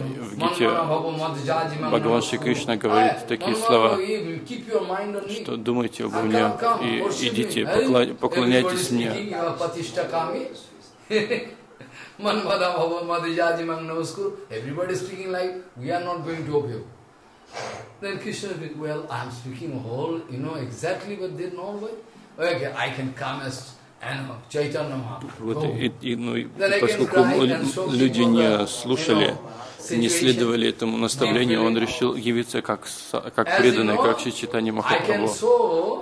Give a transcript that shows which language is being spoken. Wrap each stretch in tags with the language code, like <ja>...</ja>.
<ru>В Гите Бхагаван Шри Кришна говорит такие слова, что думайте обо мне и идите, поклоняйтесь мне.</ru> <en>Then Krishna said, well, I'm speaking whole, you know, exactly what they know, but okay, I can come as Chaitanya Mahaprabhu.</en> <ru>Вот, поскольку люди не слушали, не следовали этому наставлению, он решил явиться как преданный, как Шри Чайтанья Махапрабху.</ru>